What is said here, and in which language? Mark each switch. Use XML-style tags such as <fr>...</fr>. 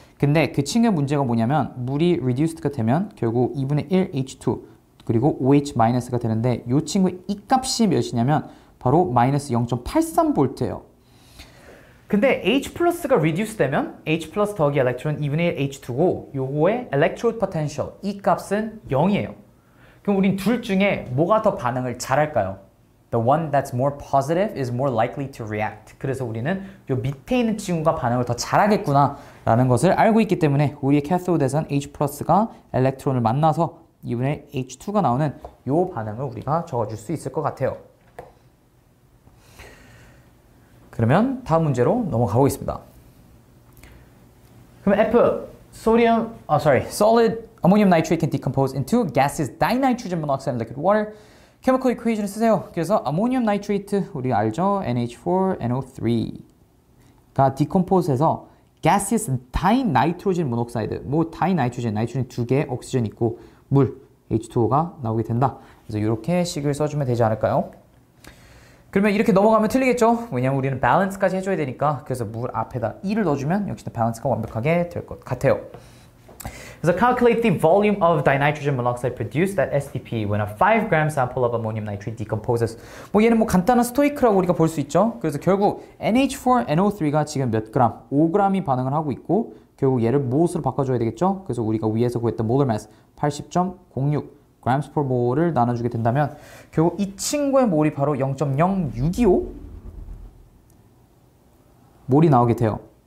<ko>근데 그 친구의 문제가 뭐냐면 물이 reduced가 되면 결국 2분의 1 H2 그리고 OH-가 되는데 이 친구의 이 값이 몇이냐면 바로 마이너스 0.83V예요. 근데 H+가 reduced 되면 H+ 더하기 electron 2분의 1 H2고 요거의 electrode potential 이 값은 0이에요. 그럼 우린 둘 중에 뭐가 더 반응을 잘할까요?</ko> <en>The one that's more positive is more likely to react.</en> <ko>그래서 우리는 요 밑에 있는 친구가 반응을 더 잘하겠구나라는 것을 알고 있기 때문에 우리의 캐소드에선 H+가 엘렉트론을 만나서 2분의 H2가 나오는 요 반응을 우리가 적어줄 수 있을 것 같아요. 그러면 다음 문제로 넘어가 보겠습니다. 그럼</ko> <en>solid ammonium nitrate can decompose into gases dinitrogen monoxide and liquid water.</en> <ko>케미컬 이퀘이션을 쓰세요. 그래서 아모니움 나이트레이트 우리가 알죠? NH4, NO3가 디컴포즈해서</ko> <en>gaseous dinitrogen monoxide,</en> <ko>뭐 dinitrogen, 나이트로겐 두 개, 옥시전 있고 물, H2O가 나오게 된다. 그래서 이렇게 식을 써주면 되지 않을까요? 그러면 이렇게 넘어가면 틀리겠죠? 왜냐면 우리는 balance까지 해줘야 되니까. 그래서 물 앞에다 E를 넣어주면 역시나 balance가 완벽하게 될것 같아요.</ko> <en>So calculate the volume of dinitrogen monoxide produced at SDP when a 5g sample of ammonium nitrate decomposes.</en> <ko>뭐 얘는 뭐 간단한 스토이크라고 우리가 볼수 있죠. 그래서 결국 NH4, NO3가 지금 몇 그램? 5g이 반응을 하고 있고 결국 얘를 몰으로 바꿔줘야 되겠죠. 그래서 우리가 위에서 구했던 molar mass 80.06g per mole를 나눠주게 된다면 결국 이 친구의 몰이 바로 0.0625 몰이 나오게 돼요.</ko>